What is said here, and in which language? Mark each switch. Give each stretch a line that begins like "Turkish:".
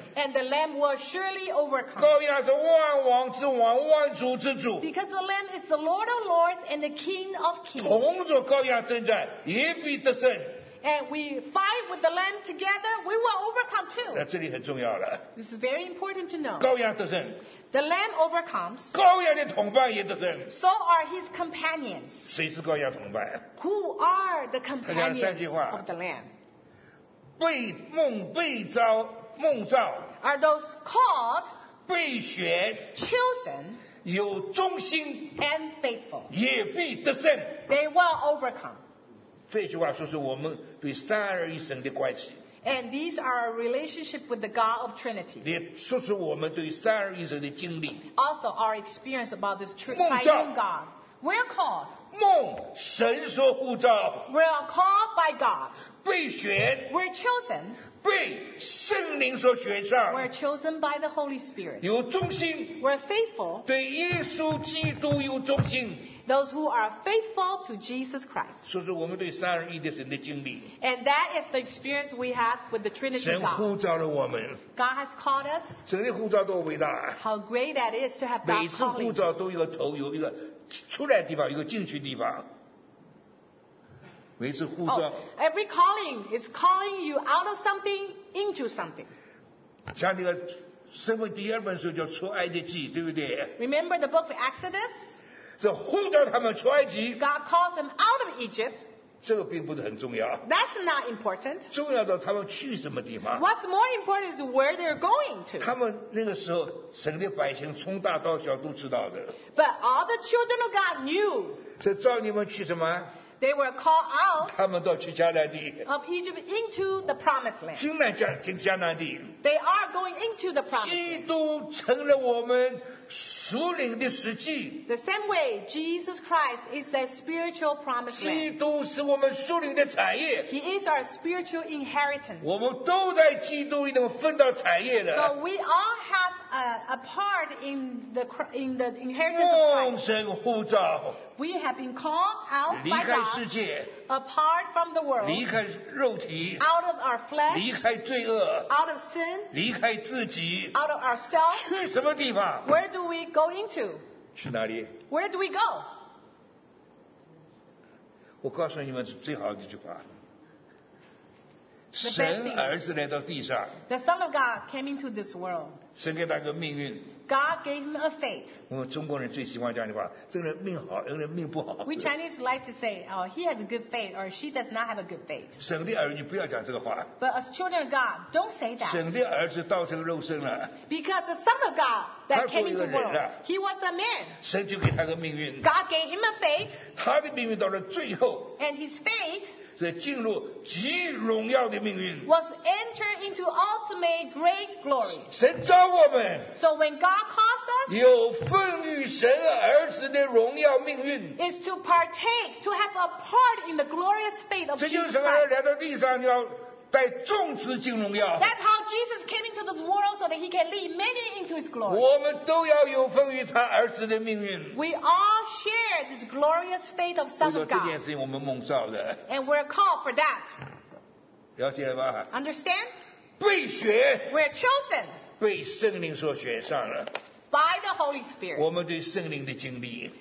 English: and the Lamb will surely overcome.
Chinese: 羔羊是万王之王，万主之主
English: because the Lamb is the Lord of lords and the King of kings.
Chinese: 同着羔羊征战，也必得胜
English: and we fight with the Lamb together, we will overcome too.
Chinese: 那这里很重要了
English: this is very important to know.
Chinese: 羔羊得胜。
English: The Lamb overcomes.
Chinese: 羔羊的同伴也得胜。
English: So are his companions.
Chinese: 谁是羔羊同伴
English: ？Who are the companions of the Lamb?
Chinese: 被梦被召梦召。
English: Are those called?
Chinese: 被选。
English: Chosen.
Chinese: 有忠心。
English: And faithful.
Chinese: 也必得胜。
English: They will overcome.
Chinese: 这句话说是我们对三而一神的关系。
English: And these are our relationship with the God of Trinity. 也说是我们对三而一神的经历。 Also, our experience about this triune God. We're called.
Chinese: 梦，神所呼召。
English: We're called by God.
Chinese: 被选。
English: We're chosen.
Chinese: 被圣灵所选上。
English: We're chosen by the Holy Spirit.
Chinese: 有忠心。
English: We're faithful.
Chinese: 对耶稣基督有忠心。
English: Those who are faithful to Jesus Christ.
Chinese: 说是我们对三而一的神的经历。
English: And that is the experience we have with the Trinity God.
Chinese: 神呼召了我们。
English: God has called us.
Chinese: 神的呼召多伟大。
English: How great that is to have God calling.
Chinese: 每次呼召都有个头，有一个出来的地方，有个进去的地方。每次呼召。
English: Oh, every calling is calling you out of something into something.
Chinese: 像那个圣经第二本书叫出埃及记，对不对
English: ？Remember the book of Exodus.
Chinese: 是呼召他们出埃及。
English: God calls them out of Egypt.
Chinese: 这个并不是很重要。
English: That's not important.
Chinese: 重要的他们去什么地方。
English: What's more important is where they're going to.
Chinese: 他们那个时候，神的百姓从大到小都知道的。
English: But all the children of God knew.
Chinese: 是召你们去什么？
English: They were called out.
Chinese: 他们都去迦南地。
English: Of Egypt into the Promised Land.
Chinese: 进迦南地。
English: They are going into the Promised Land.
Chinese: 基督成了我们。属灵的实际。
English: The same way Jesus Christ is a spiritual promised land.
Chinese: 基督是我们属灵的产业。
English: He is our spiritual inheritance.
Chinese: 我们都在基督里头分到产业的。
English: So we all have a part in the inheritance of Christ.
Chinese: 蒙神呼召。
English: We have been called out by God.
Chinese: 离开世界。
English: Apart from the world.
Chinese: 离开肉体。
English: Out of our flesh.
Chinese: 离开罪恶。
English: Out of sin.
Chinese: 离开自己。
English: Out of ourselves.
Chinese: 去什么地方？
English: Where do we go into?
Chinese: 去哪里？
English: Where do we go?
Chinese: 我告诉你们最好的一句话。神儿子来到地上。
English: The Son of God came into this world.
Chinese: 神给他个命运。
English: God gave him a fate.
Chinese: 我们中国人最喜欢讲的话，这个人命好，那个人命不好。
English: We Chinese like to say, oh, he has a good fate, or she does not have a good fate.
Chinese: 神的儿女不要讲这个话。
English: But as children of God, don't say that.
Chinese: 神的儿子道成肉身了。
English: Because the Son of God that came into the world, he was a man.
Chinese: 神就给他个命运。
English: God gave him a fate.
Chinese: 他的命运到了最后。
English: And his fate.
Chinese: 是进入极荣耀的命运。
English: Was entered into ultimate great glory.
Chinese: 神召我们。
English: So when God calls us,
Chinese: 有份与神儿子的荣耀命运。
English: Is to partake, to have a part in the glorious fate of Jesus Christ.
Chinese: 这就是来到地上要带众子进荣耀。
English: That's how Jesus came into this world so that he can lead many into his glory.
Chinese: 我们都要有份于他儿子的命运。
English: We all share this glorious fate of Son of God.
Chinese: 这件事情我们蒙召的。
English: And we're called for that.
Chinese: 了解了吧
English: ？Understand?
Chinese: 被选。
English: We're chosen.
Chinese: 被圣灵所选上了。
English: By the Holy Spirit.
Chinese: 我们对圣灵的经历。